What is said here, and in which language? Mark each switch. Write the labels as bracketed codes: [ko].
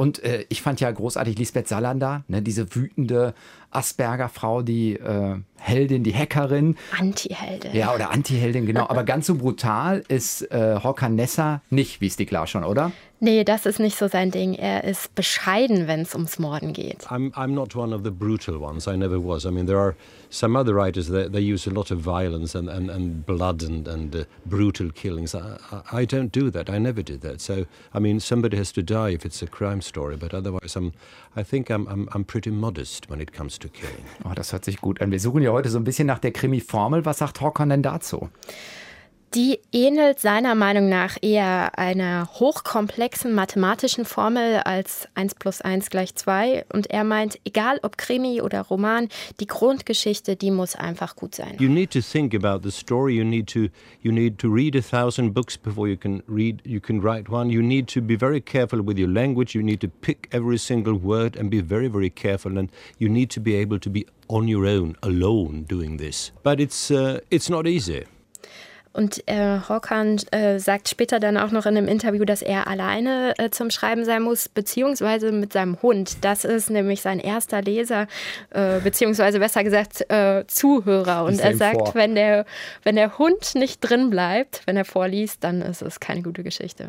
[de] Und ich fand ja großartig Lisbeth Salander, ne, diese wütende Asperger-Frau, die Heldin, die Hackerin. Anti-Heldin. Ja, oder Anti-Heldin, genau. Aber ganz so brutal ist Håkan Nesser nicht, wie Stieg Larsson, oder? Nee, das ist nicht so sein Ding. Er ist bescheiden, wenn es ums Morden geht. [en] I'm not one of the brutal ones. I never was. I mean, there are some other writers that they use a lot of violence and blood and brutal killings. I don't do that. I never did that. So, I mean, somebody has to die if it's a crime story. But otherwise, I think I'm pretty modest when it comes to killing. [de] Oh, das hört sich gut an. Wir suchen ja heute so ein bisschen nach der Krimi-Formel. Was sagt Håkan denn dazu? Die ähnelt seiner Meinung nach eher einer hochkomplexen mathematischen Formel als 1 plus 1 gleich 2. Und er meint, egal ob Krimi oder Roman, die Grundgeschichte, die muss einfach gut sein. [en] You need to think about the story. You need to read 1,000 books before you can write one. You need to be very careful with your language. You need to pick every single word and be very, very careful. And you need to be able to be on your own, alone doing this. But it's not easy. [de] Und Håkan sagt später dann auch noch in einem Interview, dass er alleine zum Schreiben sein muss, beziehungsweise mit seinem Hund. Das ist nämlich sein erster Leser, beziehungsweise besser gesagt Zuhörer. Und er sagt, wenn der Hund nicht drin bleibt, wenn er vorliest, dann ist es keine gute Geschichte.